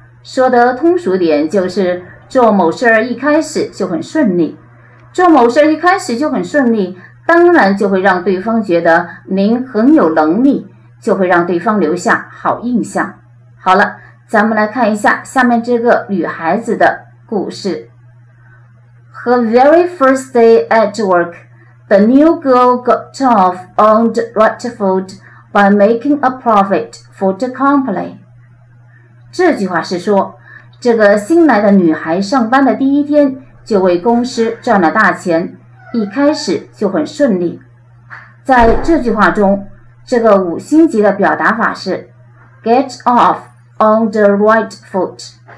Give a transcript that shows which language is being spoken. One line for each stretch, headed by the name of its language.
Chinese: 说得通俗点，就是做某事一开始就很顺利。做某事一开始就很顺利，当然就会让对方觉得您很有能力，就会让对方留下好印象。好了，咱们来看一下下面这个女孩子的故事。
English: Her very first day at work, the new girl got off on the right foot by making a profit for the company.
Chinese: 这句话是说，这个新来的女孩上班的第一天就为公司赚了大钱，一开始就很顺利。在这句话中，这个五星级的表达法是 get off on the right foot.